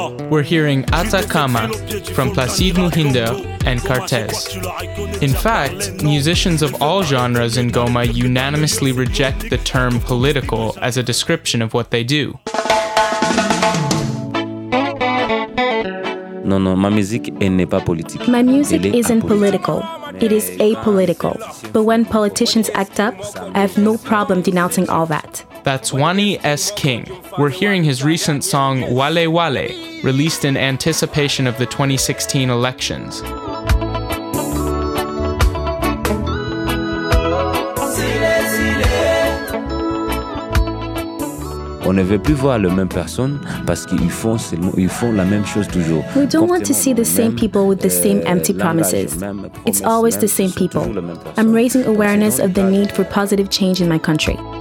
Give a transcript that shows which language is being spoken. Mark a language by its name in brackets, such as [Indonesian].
[English] We're hearing Atacama from Placide Muhinder and Cartez. In fact, musicians of all genres in Goma unanimously reject the term political as a description of what they do. [French] Non, non, ma musique, elle n'est pas politique. [English] My music isn't political. It is apolitical. But when politicians act up, I have no problem denouncing all that. That's Wani S. King. We're hearing his recent song Wale Wale, released in anticipation of the 2016 elections. [French] On ne veut plus voir les mêmes personnes parce qu'ils font seulement, ils font la même chose toujours. [English] We don't want to see the same people with the same empty promises. It's always the same people. I'm raising awareness of the need for positive change in my country.